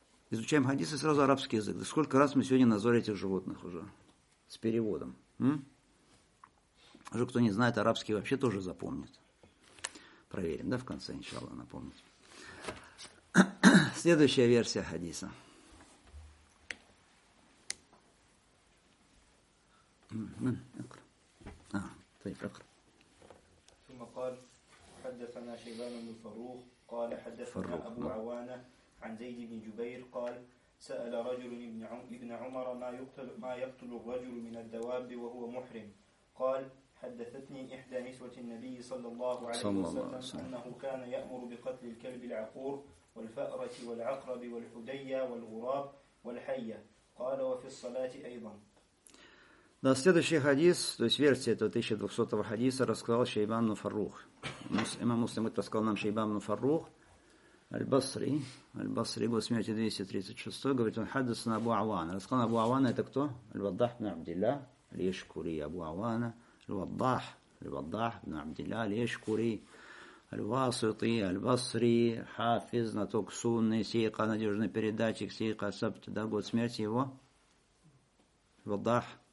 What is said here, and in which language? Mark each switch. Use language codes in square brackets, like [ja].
[ru] изучаем хадисы, сразу арабский язык. Да сколько раз мы сегодня назвали этих животных уже с переводом. Уже кто не знает арабский, вообще тоже запомнит. Проверим, да, в конце, иншаллах, напомнить. Следующая версия хадиса. [ar] ثم قال حدثنا شيبان بن فروخ قال حدثنا أبو عوانة عن زيد بن جبير قال سأل رجل ابن عمر ما يقتل الرجل من الدواب وهو محرم قال حدثتني إحدى نسوة النبي صلى الله عليه وسلم أنه كان يأمر بقتل الكلب العقور والفأرة والعقرب والحدية والغراب والحية قال وفي الصلاة أيضا. [ru] Да, следующий хадис, то есть версия этого 1200-го хадиса, рассказал Шейбан ибн Фаррух. Имам Муслим это рассказал нам Шейбан ибн Фаррух, Аль-Басри, год смерти 236-й, говорит, он хадис на Абу Авана. Рассказал Абу Авана, это кто? Аль-Ваддах ибн Абдилля, Аль-Ешкури, Абу Авана, Аль-Ваддах ибн Абдилля, Аль-Ешкури, Аль-Васити, Аль-Басри, Хафиз, Наток Сунны, Сейка, надежный передатчик, Сейка, Сабт, да, год смерти его, Аль-Ваддах.